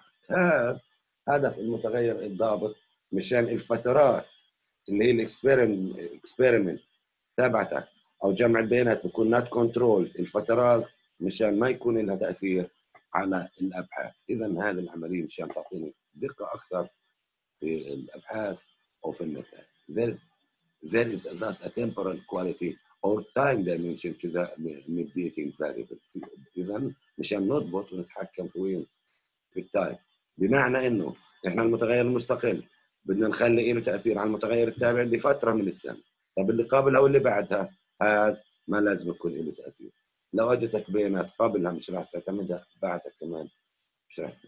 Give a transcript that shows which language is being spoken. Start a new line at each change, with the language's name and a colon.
Arabic: هذا هدف المتغير الضابط مشان الفترات اللي هي الاكسبيرمنت تبعتك او جمع البيانات بكون نات كنترول الفترات مشان ما يكون لها تاثير على الابحاث. اذا هذه العمليه مشان تعطيني دقه اكثر في الابحاث او في النتائج.
English: There is thus a temporal quality or time dimension to the mediating variable.
Arabic: اذا مشان نضبط ونتحكم في وين في التايم، بمعنى انه احنا المتغير المستقل بدنا نخلي له تاثير على المتغير التابع لفتره من السنه، طب اللي قبلها واللي بعدها هذا ما لازم يكون له تاثير. لو اجتك بيانات قبلها مش راح تعتمدها، بعدها كمان مش راح.